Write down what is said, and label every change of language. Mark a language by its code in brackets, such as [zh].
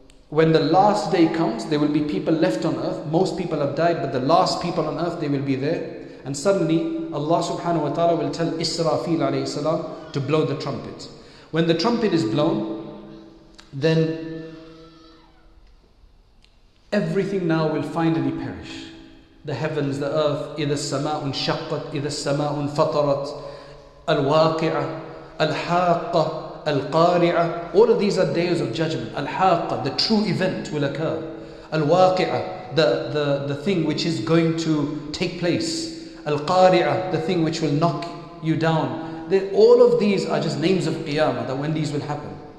[en] When the last day comes, there will be people left on earth. Most people have died, but the last people on earth, they will be there. And suddenly, Allah subhanahu wa ta'ala will tell Israfil alayhi salam to blow the trumpet. When the trumpet is blown, then everything now will finally perish. The heavens, the earth, [ar] إِذَا السَّمَاءُ انشَقَّتْ إِذَا السَّمَاءُ انفَطَرَتْ الْوَاقِعَةُ الْحَاقَّةُ الْقَارِعَةُ. [en] All of these are days of judgment. الْحَاقَّةُ, the true event will occur. الْوَاقِعَةُ, the thing which is going to take place. الْقَارِعَةُ, the thing which will knock you down. All of these are just names of Qiyamah, that when these will happen.